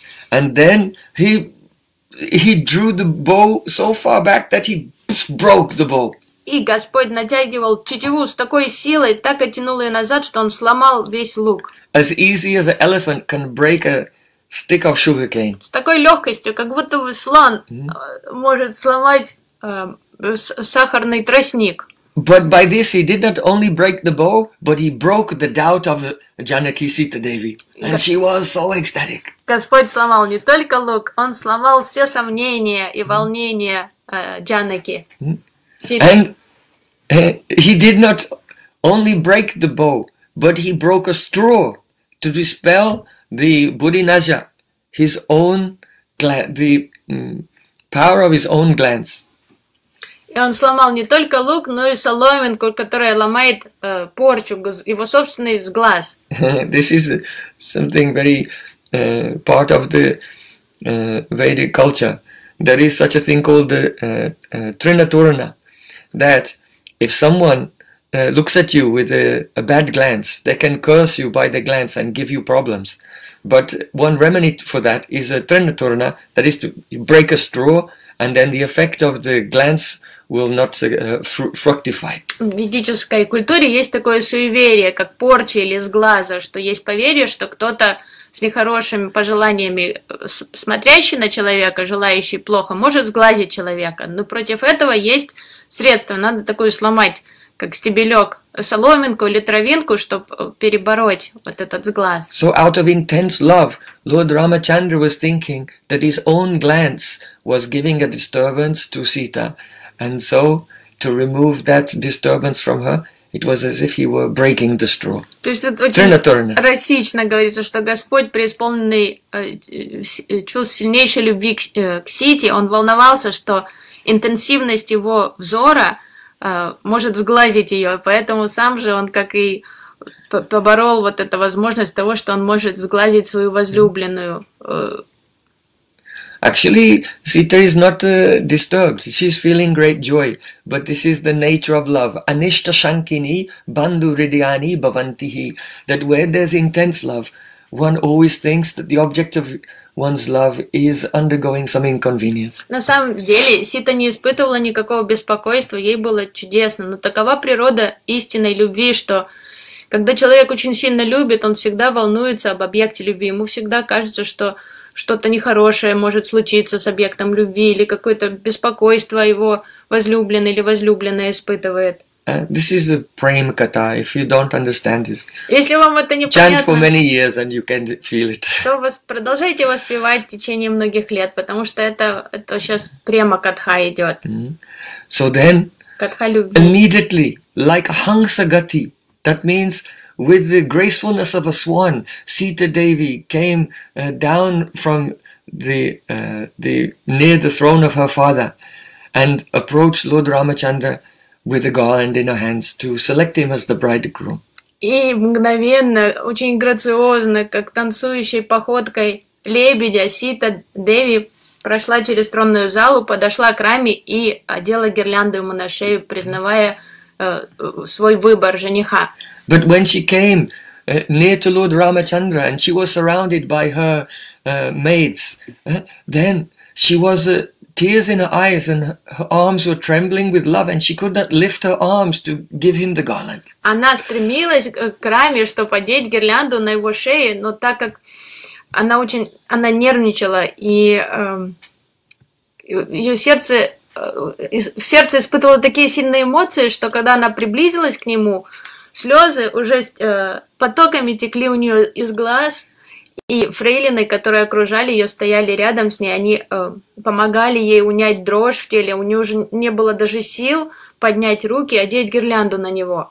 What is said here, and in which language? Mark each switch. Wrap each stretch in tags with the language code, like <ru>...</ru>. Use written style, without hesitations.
<en>And then he drew the bow so far back that he broke the bow.</en> <ru>И Господь натягивал тетиву с такой силой, так оттянул ее назад, что он сломал весь лук.</ru> <en>As easy as an elephant can break a stick of sugarcane.</en> <ru>С такой легкостью, как будто бы слон может сломать сахарный тростник.</ru> <en>But by this he did not only break the bow, but he broke the doubt of Janaki Sita Devi, and she was so ecstatic.</en> <ru>Господь сломал не только лук, он сломал все сомнения и волнения Джанаки.</ru> <en>And he did not only break the bow, but he broke a straw to dispel the Buddhinaja, his own the power of his own glance.</en> <ru>И он сломал не только лук, но и соломинку, которая ломает порчу, его собственный глаз.</ru> <en>This is something very part of the Vedic culture. There is such a thing called the Trinaturana, that if someone looks at you with a bad glance, they can curse you by the glance and give you problems. But one remedy for that is a Trinaturana, that is to break a straw, and then the effect of the glance will not fructify.</en> <ru>В ведической культуре есть такое суеверие, как порча или сглаза, что есть поверье, что кто-то с нехорошими пожеланиями смотрящий на человека, желающий плохо, может сглазить человека. Но против этого есть средство. Надо такую сломать, как стебелек, соломинку или травинку, чтобы перебороть вот этот сглаз.</ru> <en>So out of intense love, Lord Ramachandra was thinking that his own glance was giving a disturbance to Sita. And so, to remove that disturbance from her, it was as if he were breaking the straw.</en> <ru>То есть это очень расично говорится, что Господь, преисполненный чувств сильнейшей любви к Сите, он волновался, что интенсивность его взора может сглазить ее, поэтому сам же он как и поборол вот эту возможность того, что он может сглазить свою возлюбленную.</ru> <en>Actually, Sita is not disturbed. She's feeling great joy. But this is the nature of love.</en> <sa>Anishta Shankini Bandhu Ridiani Bhavantihi.</sa> <en>That where there's intense love, one always thinks that the object of one's love is undergoing some inconvenience.</en> <ru>На самом деле, Сита не испытывала никакого беспокойства. Ей было чудесно. Но такова природа истинной любви, что когда человек очень сильно любит, он всегда волнуется об объекте любви. Ему всегда кажется, что что-то нехорошее может случиться с объектом любви или какое-то беспокойство его возлюбленный или возлюбленная испытывает.</ru> <en>This is a Prem kata. If you don't understand this,</en> <ru>если вам это не</ru> <en>chant</en> <ru>понятно,</ru> <en>for many years and you can feel it.</en> <ru>То продолжайте воспевать в течение многих лет, потому что это сейчас према катха идет.</ru> <en>So then,</en> <ru>катха любви.</ru> <en>Immediately, like a hansa gati, that means with the gracefulness of a swan, Sita Devi came down from the near the throne of her father and approached Lord Ramachandra with a garland in her hands to select him as the bridegroom.</en> <ru>И мгновенно, очень грациозно, как танцующей походкой лебедя, Сита Деви прошла через тронную залу, подошла к Раме и одела гирлянду ему на шею, признавая свой выбор жениха.</ru> <en>But when she came near to Lord Ramachandra and she was surrounded by her maids, then she was tears in her eyes and her arms were trembling with love and she could not lift her arms to give him the garland.</en> <ru>Она стремилась к Раме, чтобы одеть гирлянду на его шее, но так как она очень, она нервничала, и ее сердце, в сердце испытывало такие сильные эмоции, что когда она приблизилась к нему, слезы уже потоками текли у нее из глаз, и фрейлины, которые окружали ее, стояли рядом с ней, они помогали ей унять дрожь в теле, у нее уже не было даже сил поднять руки, одеть гирлянду на него.</ru>